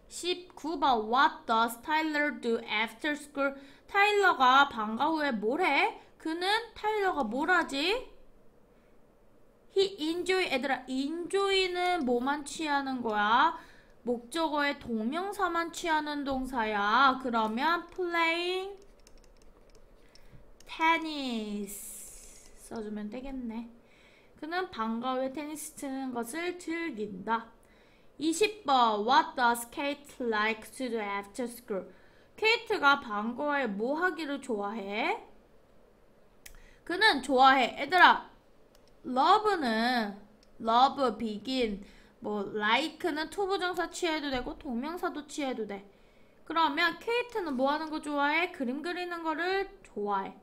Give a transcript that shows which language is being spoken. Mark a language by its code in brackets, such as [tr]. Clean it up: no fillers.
[en] 19번 What does Tyler do after school? [ko] 타일러가 방과 후에 뭘 해? 그는 타일러가 뭘 하지? [en] He enjoy [ko] 얘들아 enjoy는 뭐만 취하는 거야? 목적어의 동명사만 취하는 동사야. 그러면 [en] playing tennis [ko] 써주면 되겠네. 그는 방과 후에 테니스 치는 것을 즐긴다. [en] 20번 What does Kate like to do after school? [ko] 케이트가 방과 후에 뭐 하기를 좋아해? 그는 좋아해. 얘들아 love는 love begin 뭐 like는 투부정사 취해도 되고 동명사도 취해도 돼. 그러면 케이트는 뭐 하는 거 좋아해? 그림 그리는 거를 좋아해.